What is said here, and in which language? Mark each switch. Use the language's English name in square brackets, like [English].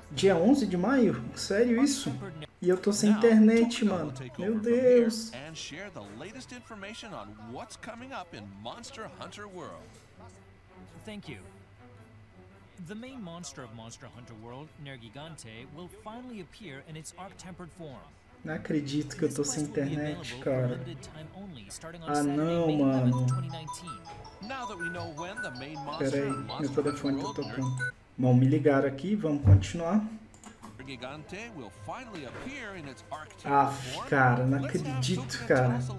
[Portuguese] Dia 11 de maio? Sério isso? E eu tô sem internet, mano. Meu Deus. [English] And share the latest information on what's coming up in Monster Hunter World. Thank you. The main monster of Monster Hunter World, Nergigante, will finally appear in its arc-tempered form. [Portuguese] Não acredito que eu tô sem internet, cara. Mano. [English] Now that we know when the main monster, [Portuguese] pera aí, meu telefone tá tocando. Bom, me ligaram aqui, vamos continuar. [English] Nergigante will finally appear in its arc-tempered form. [Portuguese] Ah, cara, não acredito, cara.